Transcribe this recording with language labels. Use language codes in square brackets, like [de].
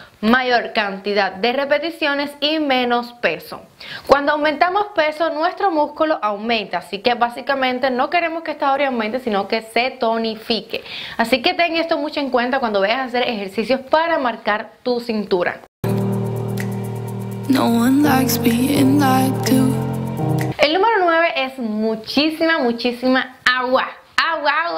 [es] Mayor cantidad de repeticiones y menos peso. Cuando aumentamos peso, nuestro músculo aumenta, así que básicamente no queremos que esta área aumente, sino que se tonifique. Así que ten esto mucho en cuenta cuando vayas a hacer ejercicios para marcar tu cintura. [en] No one likes being like you. [es] El número 9 es muchísima agua. Agua.